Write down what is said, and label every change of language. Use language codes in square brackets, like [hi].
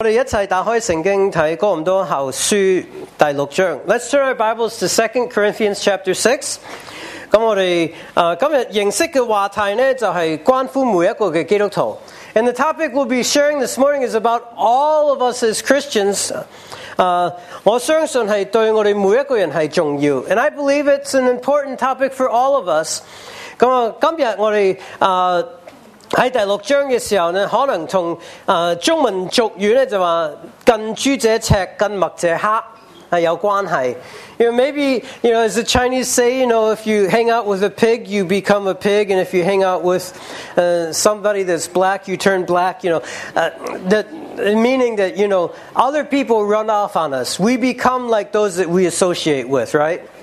[zh] 我们一起打开圣经看哥林多后书第六章。 [en] Let's turn our Bibles to 2 Corinthians chapter 6. [zh] 我们今天认识的话题呢，就是关乎每一个基督徒。 [en] And the topic we'll be sharing this morning is about all of us as Christians. [zh] 我相信是对我们每一个人是重要。 [en] And I believe it's an important topic for all of us. [zh] 今天我们在第六章的时候呢，可能从中文俗语呢，就说近朱者赤，近墨者黑，有关系。 [en] You know, maybe, you know, as the Chinese say, you know, if you hang out with a pig, you become a pig. And if you hang out with somebody that's black, you turn black, you know. Meaning that, you know, other people run off on us. We become like those that we associate with, right?